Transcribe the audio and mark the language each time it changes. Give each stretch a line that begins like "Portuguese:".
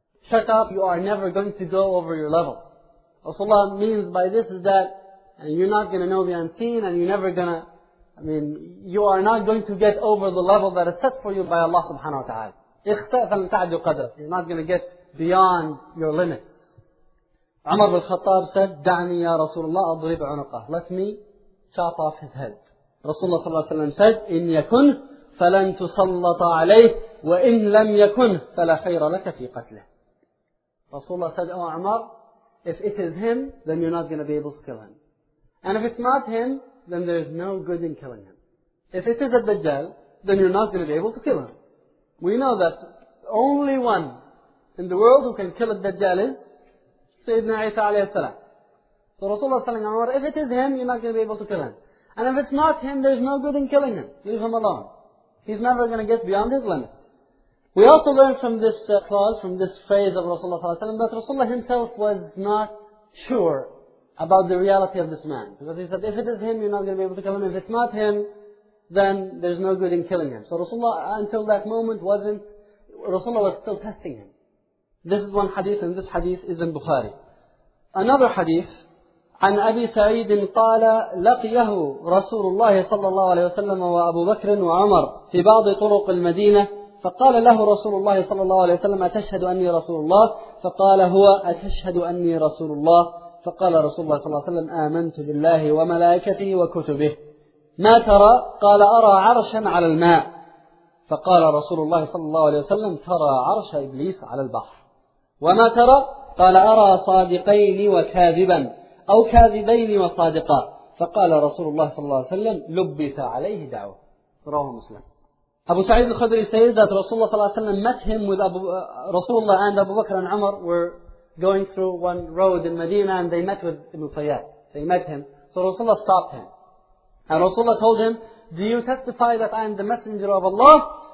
English: Shut up, you are never going to go over your level. Rasulullah means by this is that, and you're not going to know the unseen, and you're never going to, I mean, you are not going to get over the level that is set for you by Allah subhanahu wa ta'ala.
Arabic: اِخْتَى فَلَمْ تَعْدُ قَدْرَةً.
English: You're not going to get beyond your limit. Umar bin Khattab said,
Arabic: دَعْنِي يَا رَسُولَ اللَّهِ أَضْرِبْ عُنُقَهُ.
English: Let me chop off his head. Rasulullah sallallahu alayhi wa sallam said,
Arabic: إِنْ يَكُنْ فَلَنْ تُسَلَّطَ عَلَيْهِ وَإِنْ لَمْ يَكُنْ فَلَا خَيْرَ لَكَ فِي قَتْلِهِ.
English: Rasulullah said, O Umar, if it is him, then you're not going to be able to kill him. And if it's not him, then there is no good in killing him. If it is a Dajjal, then you're not going to be able to kill him. We know that the only one in the world who can kill a Dajjal is Sayyidina Isa alayhi salam. So Rasulullah sallallahu alayhi wa sallam, if it is him, you're not going to be able to kill him. And if it's not him, there's no good in killing him. Leave him alone. He's never going to get beyond his limit. We also learn from this clause, from this phrase of Rasulullah sallallahu alayhi wa sallam, that Rasulullah himself was not sure about the reality of this man. Because he said, if it is him, you're not going to be able to kill him. If it's not him, then there's no good in killing him. So Rasulullah, until that moment, Rasulullah was still testing him. This is one hadith, and this hadith is in Bukhari. Another hadith,
Arabic: عن أبي سعيد قال لقيه رسول الله صلى الله عليه وسلم وأبو بكر وعمر في بعض طرق المدينة فقال له رسول الله صلى الله عليه وسلم أتشهد أني رسول الله فقال هو أتشهد أني رسول الله فقال رسول الله صلى الله عليه وسلم آمنت بالله وملائكته وكتبه ما ترى قال أرى عرشا على الماء فقال رسول الله صلى الله عليه وسلم ترى عرش إبليس على البحر وما ترى قال أرى صادقين وكاذبا أو كاذبين وصادقا فقال رسول الله صلى الله عليه وسلم لبس عليه دعوة رواه مسلم.
English: Abu Sa'id al-Khudri says that Rasulullah sallallahu alayhi wa sallam met him with Rasulullah and Abu Bakr and Umar were going through one road in Medina and they met with Ibn Sayyad. They met him. So Rasulullah stopped him. And Rasulullah told him, do you testify that I am the messenger of Allah?